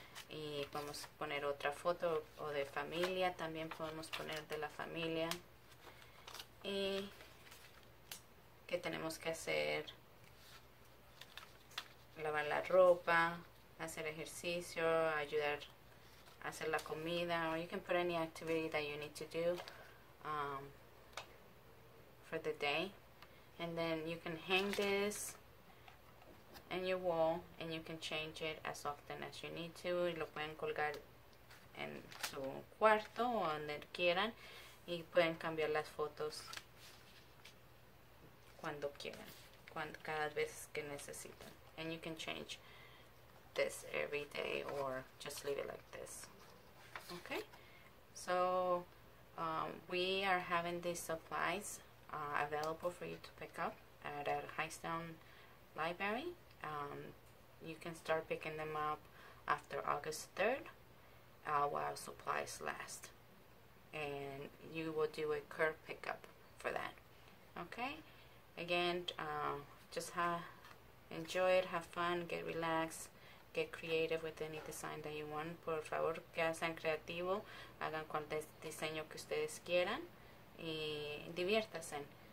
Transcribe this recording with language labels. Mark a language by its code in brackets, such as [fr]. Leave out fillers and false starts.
[es] Y podemos poner otra foto o de familia, también podemos poner de la familia. Y que tenemos que hacer, lavar la ropa, hacer ejercicio, ayudar a hacer la comida. [en] Or you can put any activity that you need to do for the day. And then you can hang this in your wall, and you can change it as often as you need to. [es] Y lo pueden colgar en su cuarto o donde quieran, y pueden cambiar las fotos cuando quieran, cada vez que necesitan. [en] And you can change this every day or just leave it like this. Okay, so we are having these supplies available for you to pick up at our Highstone Library. You can start picking them up after August 3rd while supplies last. And you will do a curb pickup for that. Okay? Again, just enjoy it, have fun, get relaxed, get creative with any design that you want. [es] Por favor, que sean creativos, hagan cualquier diseño que ustedes quieran y diviértanse.